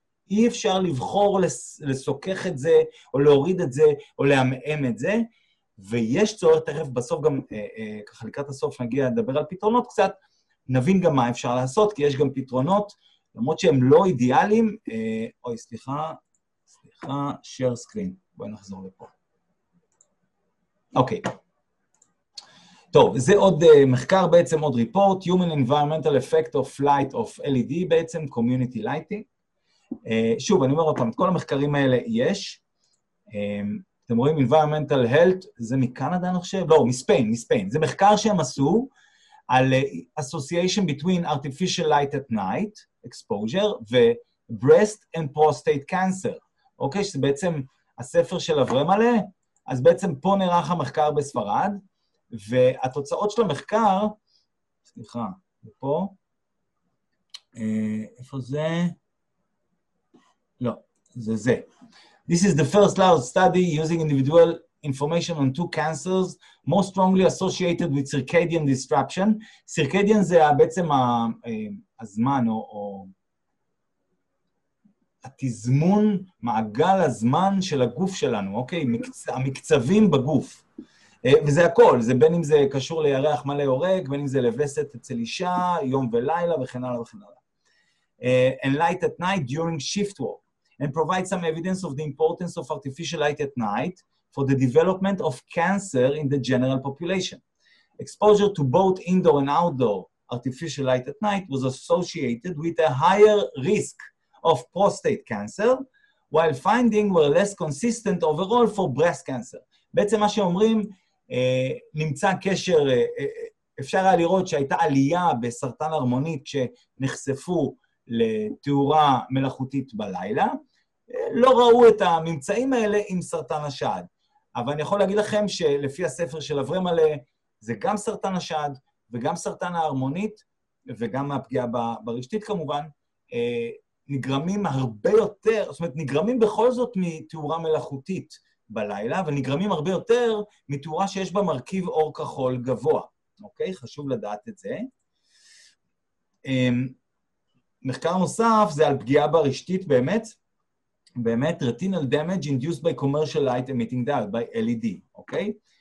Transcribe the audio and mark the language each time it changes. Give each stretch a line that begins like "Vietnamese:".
Hebrew: אי אפשר לבחור לסוקח את זה, או להוריד את זה, או להמאם את זה, ויש צורך, תכף בסוף גם, ככה לקראת הסוף נגיע לדבר על פתרונות קצת, נבין גם מה אפשר לעשות, כי יש גם פתרונות, למרות שהם לא אידיאליים, אוי, סליחה, סליחה,
English: share screen,
Hebrew: בואי נחזור לפה. אוקיי. טוב, זה עוד מחקר בעצם, עוד ריפורט,
English: Human Environmental Effect of Light of LED
Hebrew: בעצם,
English: Community Lighting.
Hebrew: שוב, אני אומר אותם, את כל המחקרים האלה יש, אתם רואים, Environmental Health, זה מקנדה אני חושב? לא, מספיין, מספיין. זה מחקר שהם עשו על
English: Association Between Artificial Light at Night, Exposure,
Hebrew: ו-
English: Breast and Prostate Cancer,
Hebrew: אוקיי? שזה בעצם הספר של אברהם עלה, אז בעצם פה נערך המחקר בספרד, והתוצאות של המחקר, סליחה, פה, איפה זה? לא, זה זה.
English: This is the first large study using individual information on two cancers most strongly associated with circadian disruption.
Hebrew: circadian זה בעצם הזמן או התזמון, מעגל הזמן של הגוף שלנו, אוקיי? המקצבים בגוף. וזה הכל, זה בין אם זה קשור לירח מלא יורק, בין אם זה לווסת אצל אישה, יום ולילה וכן הלאה וכן הלאה.
English: And light at night during shift work. And provide some evidence of the importance of artificial light at night for the development of cancer in the general population. Exposure to both indoor and outdoor artificial light at night was associated with a higher risk of prostate cancer, while findings were less consistent overall for breast cancer.
Hebrew: בעצם מה שאומרים, נמצא קשר, אפשר היה לראות שהייתה עלייה בסרטן הרמונית שנחשפו לתאורה מלאכותית בלילה, לא ראו את הממצאים האלה עם סרטן השד. אבל אני יכול להגיד לכם שלפי הספר של אברהם עלה, זה גם סרטן השד וגם סרטן ההרמונית, וגם הפגיעה ברשתית כמובן, נגרמים הרבה יותר, זאת אומרת, נגרמים בכל זאת מתאורה מלאכותית בלילה, ונגרמים הרבה יותר מתאורה שיש בה מרכיב אור כחול גבוה. אוקיי? חשוב לדעת את זה. מחקר נוסף זה על פגיעה ברשתית באמת, באמת,
English: retinal damage induced by commercial light emitting diode, by LED,
Hebrew: אוקיי?